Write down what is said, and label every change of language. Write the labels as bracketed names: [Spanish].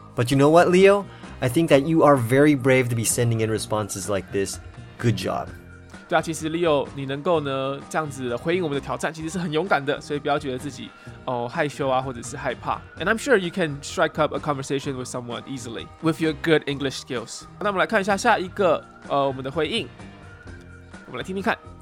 [English] But you know what, Leo? I think that you are very brave to be sending in responses like this. Good job. [Chinese] 对啊，其实 Leo， 你能够呢这样子回应我们的挑战，其实是很勇敢的。所以不要觉得自己哦害羞啊，或者是害怕。 [English] And I'm sure you can strike up a conversation with someone easily with your good English skills. [Chinese] 那我们来看一下下一个我们的回应，我们来听听看。